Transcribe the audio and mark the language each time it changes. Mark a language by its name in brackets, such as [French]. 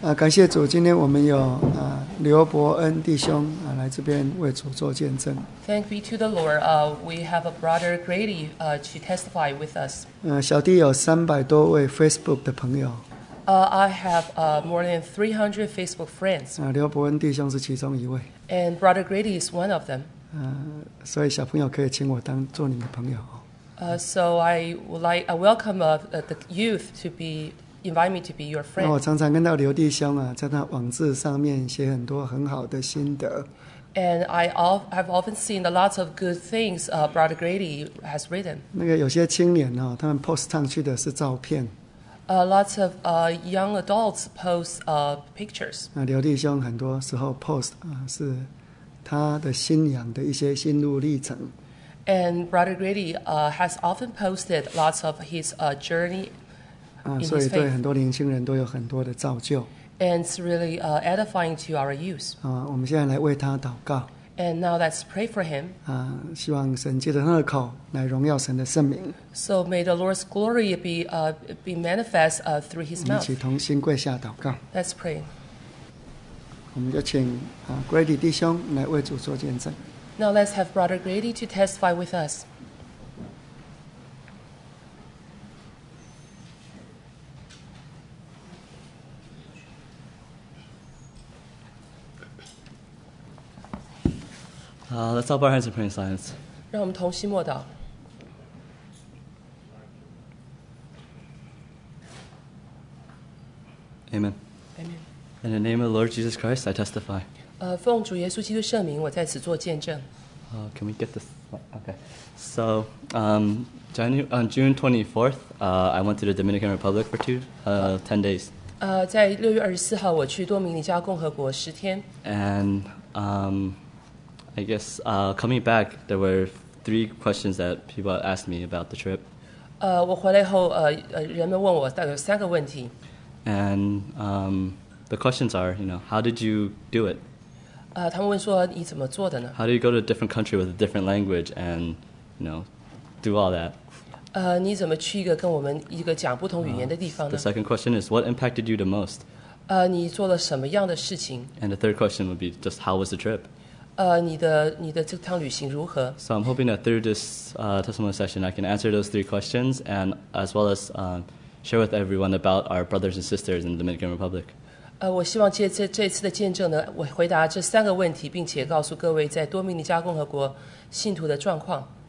[Chinese] 感谢主，今天我们有刘伯恩弟兄来这边为主做见证。 [English] Thank be to the Lord. We have a brother Grady to testify with us. [Chinese] 小弟有300多位 Facebook 的朋友。 [English] I have more than 300 Facebook friends. [Chinese] 刘伯恩弟兄是其中一位。 [English] And brother Grady is one of them. [Chinese] 所以小朋友可以请我当做你的朋友。 [English] So I would like a welcome of the youth to be. Invite me to be your friend. [Chinese] 我常常跟到刘弟兄啊，在他网志上面写很多很好的心得。 [English] And I've often seen a lot of good things, Brother Grady has written. [Chinese] 那个有些青年哦，他们 post 上去的是照片。 [English] Lots of young adults post pictures. [Chinese] 那刘弟兄很多时候 post 是他的信仰的一些心路历程。 [English] And Brother Grady has often posted lots of his journey. [Chinese] 所以对很多年轻人都有很多的造就。 [English] And it's really edifying to our youth. [Chinese] 我们现在来为他祷告。 [English] And now let's pray for him. [Chinese] 希望神借着他的口来荣耀神的圣名。 [English] So may the Lord's glory be manifest through his mouth. [Chinese] 一起同心跪下祷告。 [English] Let's pray. [Chinese] 我们就请Grady 弟兄来为主做见证。 [English] Now let's have Brother Grady to testify with us. Let's all bow our heads and pray in silence. [Chinese] 让我们同心默祷。 [English] Amen. Amen. In the name of the Lord Jesus Christ, I testify. [Chinese] 奉主耶稣基督圣名，我在此做见证。 [English] Can we get this? Okay. So, on June 24th, I went to the Dominican Republic for 10 days. [Chinese] 在6月24号，我去多米尼加共和国10天。 [English] And I guess coming back, there were 3 questions that people asked me about the trip. [Chinese] 我回来后，人们问我大概有3个问题。 [English] And the questions are, you know, how did you do it? [Chinese] 他们问说你怎么做的呢 [English] ？How do you go to a different country with a different language and, you know, do all that? [Chinese] 你怎么去一个跟我们一个讲不同语言的地方呢 [English] ？The second question is, what impacted you the most? [Chinese] 你做了什么样的事情 [English] ？And the third question would be just how was the trip? [Chinese] 你的这趟旅行如何 [English] ？So I'm hoping that through this testimony session, I can answer those 3 questions, and as well as share with everyone about our brothers and sisters in the Dominican Republic. [Chinese] 我希望借这次的见证呢，我回答这3个问题，并且告诉各位在多米尼加共和国信徒的状况。